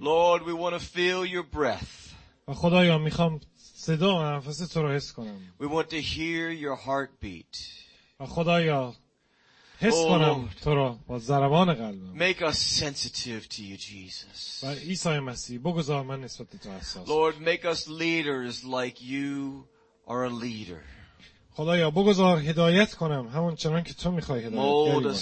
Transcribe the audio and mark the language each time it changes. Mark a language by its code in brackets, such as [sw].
[en] Lord, we want to feel your breath. [fa] و خدایا می‌خوام صدا و نفس تو رو حس کنم. [en] We want to hear your heartbeat. [fa] و خدایا حس کنم تو رو با ضربان قلبم. [en] Make us sensitive to you, Jesus. [fa] و عیسی مسیح بگذار من نسبت به تو حساس باشم. [en] Lord, make us leaders like you are a leader. [fa] خدایا بگذار هدایت کنم همون چنان که تو میخوای هدایت